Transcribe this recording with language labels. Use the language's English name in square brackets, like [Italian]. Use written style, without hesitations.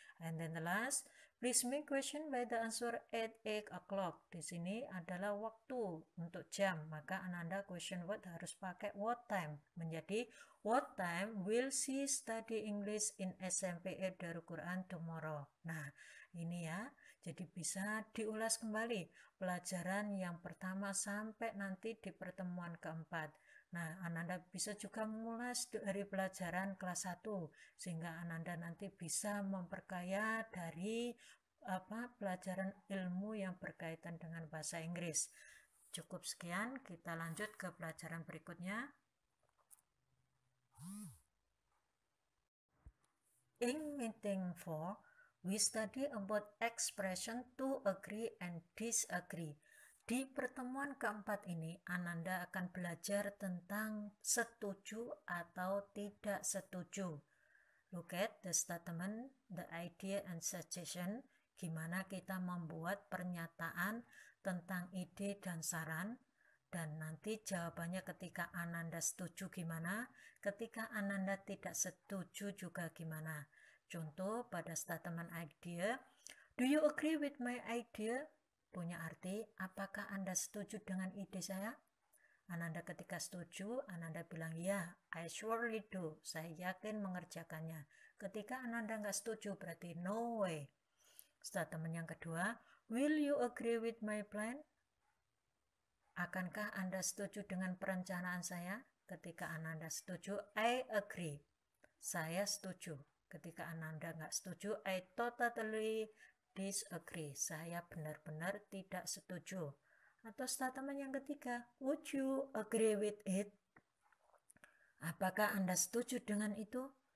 [English] And then the last, please make question by the answer at 8 o'clock. [Indonesian] Di sini adalah waktu untuk jam, maka Ananda question word harus pakai what time. Menjadi, [English] what time will she study English in SMPR Darul Quran tomorrow? [Indonesian] Nah, ini ya. Jadi bisa diulas kembali pelajaran yang pertama sampai nanti di pertemuan keempat. Nah, Ananda bisa juga mengulas dari pelajaran kelas 1 sehingga Ananda nanti bisa memperkaya dari apa pelajaran ilmu yang berkaitan dengan bahasa Inggris. Cukup sekian, kita lanjut ke pelajaran berikutnya. [English] In meeting 4, we study about expression to agree and disagree. [Indonesian] Di pertemuan keempat ini, Ananda akan belajar tentang setuju atau tidak setuju. [English] Look at the statement, the idea, and suggestion. [Indonesian] Gimana kita membuat pernyataan tentang ide dan saran. Dan nanti jawabannya ketika Ananda setuju gimana, ketika Ananda tidak setuju juga gimana. Contoh pada [English] statement idea, do you agree with my idea? [Indonesian] Punya arti, apakah Anda setuju dengan ide saya? Ananda ketika setuju, Ananda bilang, ya, [English] I surely do, [Indonesian] saya yakin mengerjakannya. Ketika Ananda nggak setuju, berarti [English] no way. [Indonesian] Statement yang kedua, [English] will you agree with my plan? [Indonesian] Akankah Anda setuju dengan perencanaan saya? Ketika Ananda setuju, [English] I agree. [Indonesian] Saya setuju. Ketika Ananda nggak setuju, [English] I totally disagree. [Indonesian] Saya benar-benar tidak setuju. Atau statement yang ketiga, [English] would you agree with it? [Indonesian] Apakah Anda setuju dengan itu?